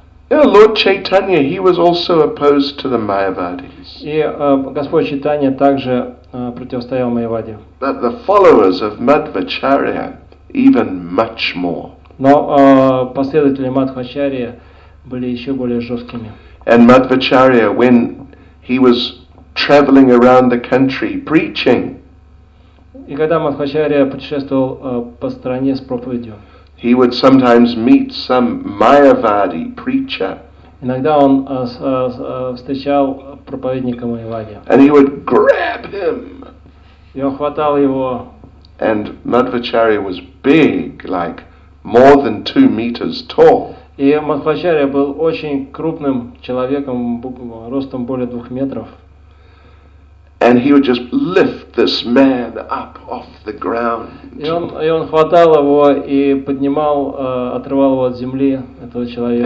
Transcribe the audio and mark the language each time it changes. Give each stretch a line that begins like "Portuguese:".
English: Lord Chaitanya, he was also opposed to the Mayavadis.
Russian: И Господь Чайтанья также противостоял Майяваде.
English: But the followers of Madhvacharya even much more.
Russian: Но последователи Мадхвачарьи были еще более жесткими.
English: And Madhvacharya, when he was traveling around the country preaching,
Russian: и когда Мадхвачарья путешествовал по стране с проповедью,
English: he would sometimes meet some Mayavadi preacher.
Russian: Иногда он встречал проповедника Майявади.
English: And he would grab him.
Russian: И он хватал его.
English: And Madhvacharya was big, like more than 2 meters tall.
Russian: И Мадхвачарья был очень крупным человеком, ростом более 2 метров.
English: And he would just lift this man up off the ground.
Russian: И он хватал его и поднимал, отрывал его от земли, этого человека.